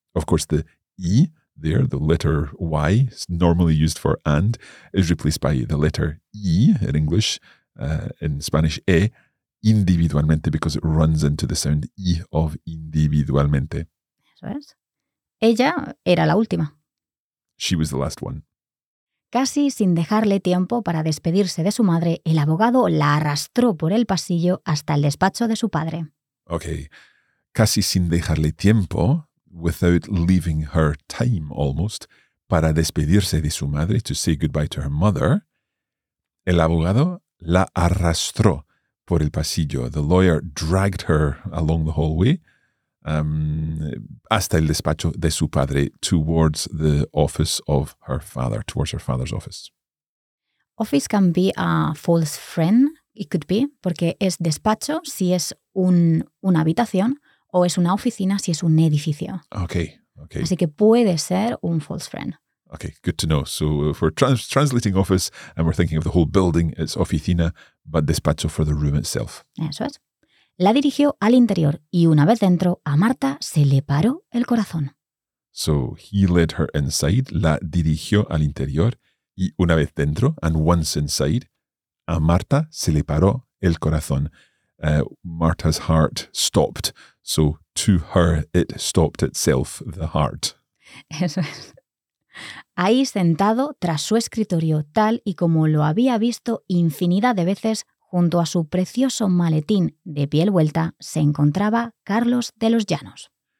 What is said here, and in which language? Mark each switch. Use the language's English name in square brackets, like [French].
[English] Of course, the E there, the letter Y, normally used for and, is replaced by the letter E in English, in Spanish, E, individualmente, because it runs into the sound E of individualmente. [Spanish] Eso es. Ella era la última. [English] She was the last one. [Spanish] Casi sin dejarle tiempo para despedirse de su madre, el abogado la arrastró por el pasillo hasta el despacho de su padre. [English] Okay. [Spanish] Casi sin dejarle tiempo, [English] without leaving her time almost, [Spanish] para despedirse de su madre, [English] to say goodbye to her mother, [Spanish] el abogado la arrastró por el pasillo. [English] The lawyer dragged her along the hallway, [Spanish] hasta el despacho de su padre, [English] towards the office of her father, towards her father's office. Office can be a false friend, it could be, [Spanish] porque es despacho si es una habitación, o es una oficina si es un edificio. [English] Okay, okay. [Spanish] Así que puede ser un [English] false friend. Okay, good to know. So if we're translating office and we're thinking of the whole building, it's oficina, but despacho for the room itself. [Spanish] Eso es. La dirigió al interior y una vez dentro, a Marta se le paró el corazón. [English] So he led her inside, [Spanish] la dirigió al interior y una vez dentro, [English] and once inside, [Spanish] a Marta se le paró el corazón. [English] Marta's heart stopped. So to her, it stopped itself, the heart. [Spanish] Eso es. Ahí sentado tras su escritorio, tal y como lo había visto infinidad de veces, junto a su precioso maletín de piel vuelta, se encontraba Carlos de los Llanos.